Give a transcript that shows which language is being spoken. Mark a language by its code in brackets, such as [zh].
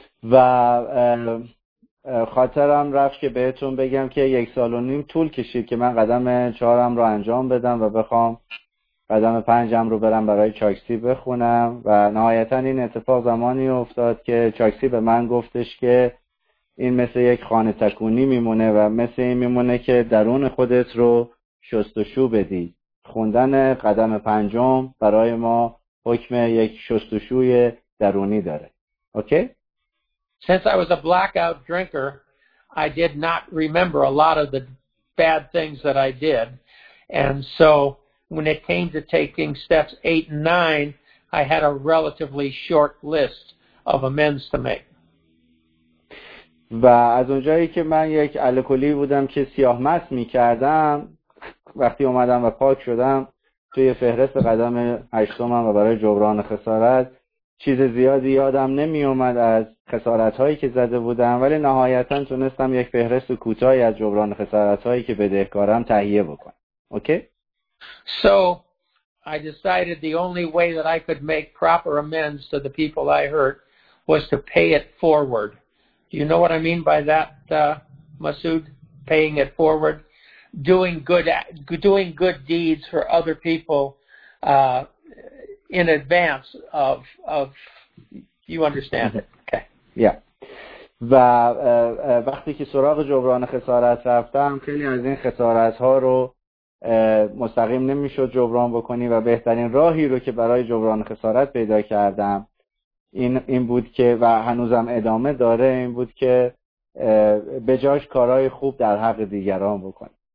[fa] و خاطرم رفت که بهتون بگم که یک سال و نیم طول کشید که من قدم چهارم رو انجام بدم و بخوام قدم پنجم رو برم برای چاکسی بخونم و نهایتاً این اتفاق زمانی افتاد که چاکسی به من گفتش که این مثل یک خانه تکونی میمونه و مثل این میمونه که درون خودت رو شستشو بدی. خوندن قدم پنجم برای ما حکم یک شستشوی درونی داره. اوکی؟ [en] Since I was a blackout drinker, I did not remember a lot of the bad things that I did. And so when it came to taking steps 8 and 9, I had a relatively short list of amends to make. [fa] و از اونجایی که من یک الکلی بودم که سیاه مست می کردم، وقتی اومدم و پاک شدم، توی فهرست قدم 8 و برای جبران خسارت، چیز زیادی یادم نمی اومد از خسارت‌هایی که زده بودم، ولی نهایتاً تونستم یک فهرست کوتاهی از جبران خسارت‌هایی که بدهکارم تهیه بکنم. اوکی؟ [en] So I decided the only way that I could make proper amends to the people I hurt was to pay it forward. Do you know what I mean by that, Masood? Paying it forward, doing good deeds for other people in advance of you understand it. Okay. Yeah. [fa] و وقتی که سراغ جبران خسارت رفتم، خیلی از این خسارت ها رو مستقیم نمیشد جبران بکنی و بهترین راهی رو که برای جبران خسارت پیدا کردم این بود که، و هنوزم ادامه داره، این بود که به جاش کارهای خوب در حق دیگران بکنی.